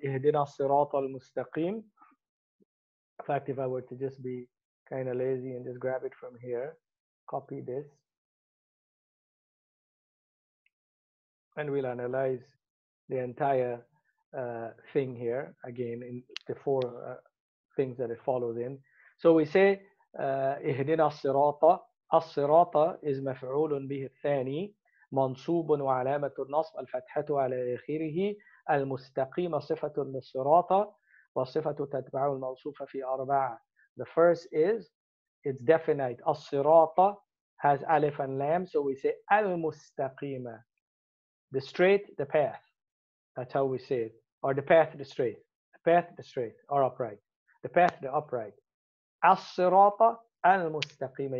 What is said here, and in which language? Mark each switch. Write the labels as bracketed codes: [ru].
[ar] Ihdina al-Sirat al-Mustaqim. [en] In fact, if I were to just be kind of lazy and just grab it from here, copy this, and we'll analyze the entire thing here again in the four things that it follows in. So we say [ar] اهدنا الصراط الصراط is مفعول به الثاني منصوب وعلامة النصب الفتحة على آخره المستقيم صفة للصراط وصفة تتبع الموصوف في أربعة. [en] The first is it's definite. الصراط has alif and lam. So we say المستقيمة the straight, the path. That's how we say it. Or the path to the straight. The path to the straight or upright. The path to the upright. [ar] As-sirata al-mustaqima.